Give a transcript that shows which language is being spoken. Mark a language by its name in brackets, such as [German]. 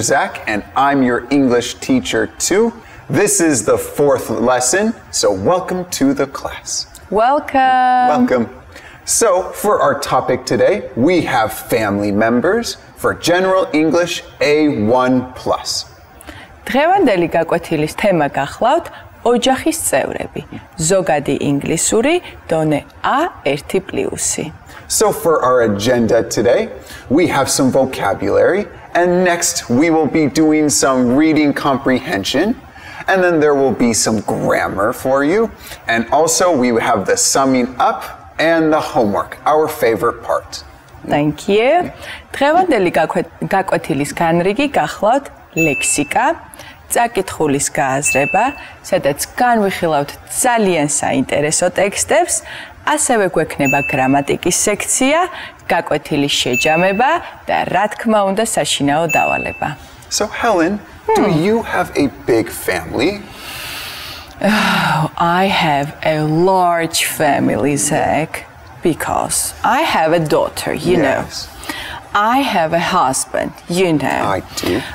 [English] Zach and I'm your English teacher too. This is the fourth lesson, so welcome to the class. Welcome. Welcome. So, for our topic today, we have family members for General English A1+. [Georgian] დღევანდელი გაკვეთილის თემა გახლავთ ოჯახის წევრები. ზოგადი ინგლისური, დონე A1+. [English] So, for our agenda today, we have some vocabulary, and next we will be doing some reading comprehension. And then there will be some grammar for you. And also we have the summing up and the homework, our favorite part. Thank you. [Georgian] დღევანდელი გაკვეთილის განრიგი გახლავთ ლექსიკა, წაკითხულის გააზრება, სადაც განვიხილავთ ძალიან საინტერესო ტექსტებს, ასევე გვექნება გრამატიკის სექცია, გაკვეთილის შეჯამება და რა თქმა უნდა საშინაო დავალება. [English] So Helen, do you have a big family? Oh, I have a large family, Zach, because I have a daughter, you yes. know. I have a husband, you know. I do.